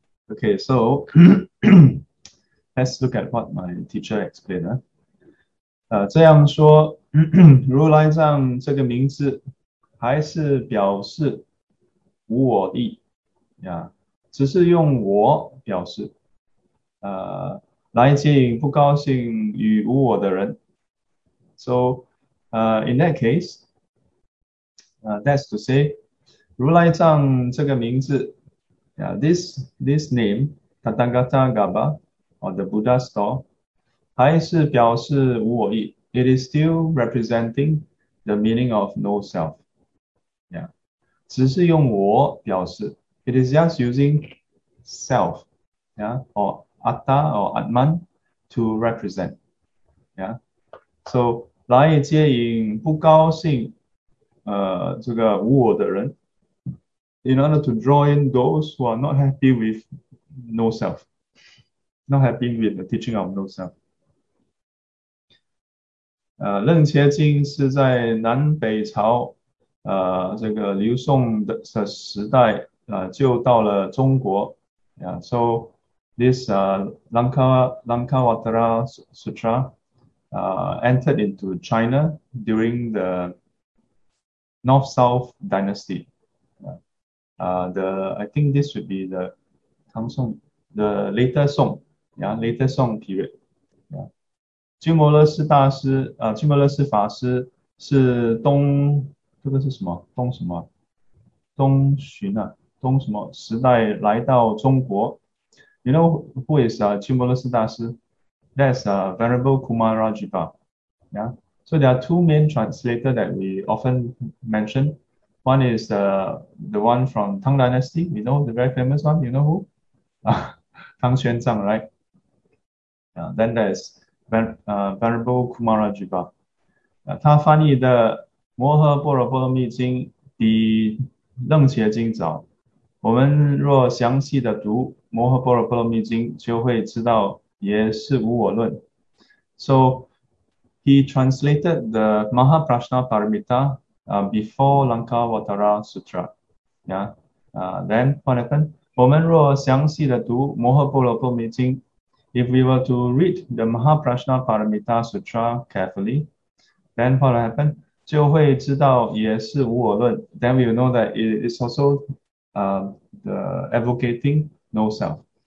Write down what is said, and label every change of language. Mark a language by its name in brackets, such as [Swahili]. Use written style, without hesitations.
[English] Okay, so let's look at what my teacher explained. [Chinese] 这样说，如来藏这个名字还是表示无我意呀，只是用我表示，来接引不高兴与无我的人。 [English] So, in that case, that's to say, [Chinese] 如来藏这个名字。 [English] Yeah, this name, Tathagatagarbha, or the Buddha's thought, [Chinese] 还是表示无我意. [English] It is still representing the meaning of no self. Yeah. [Chinese] 只是用我表示. [English] It is just using self, yeah, or Atta or Atman to represent. Yeah. [Chinese] So, 来接引不高兴, 这个无我的人, [English] in order to draw in those who are not happy with no self, not happy with the teaching of no self. [Chinese] 楞伽经是在南北朝，这个刘宋的时代，就到了中国。 [English] So this Lankavatara Sutra entered into China during the North-South Dynasty. I think this should be the Tang Song, the later Song, later Song period. [Chinese] 鸠摩罗什大师，鸠摩罗什法师是东，这个是什么？东什么？东巡啊，东什么时代来到中国 ？ [English] You know who is [Chinese] 鸠摩罗什大师 ？ [English] That's Venerable Kumarajiva. Yeah. So there are two main translators that we often mention. One is the one from Tang Dynasty. You know the very famous one. You know who? Tang Xuanzang, right? Yeah. Then there's Venerable Kumarajiva， [Chinese] 他翻译的《摩诃般若波罗蜜经》比《楞伽经》早。我们若详细的读《摩诃般若波罗蜜经》，就会知道也是无我论。 [English] So he translated the Mahaprajna Paramita before Lankavatara Sutra. Then what happened? [Chinese] 我们若详细的读《摩诃般若波罗蜜经》。 [English] If we were to read the Mahaprajna Paramita Sutra carefully, then what will happen? [Chinese] 就会知道也是无我论。 [English] Then we will know that it is also the advocating no self.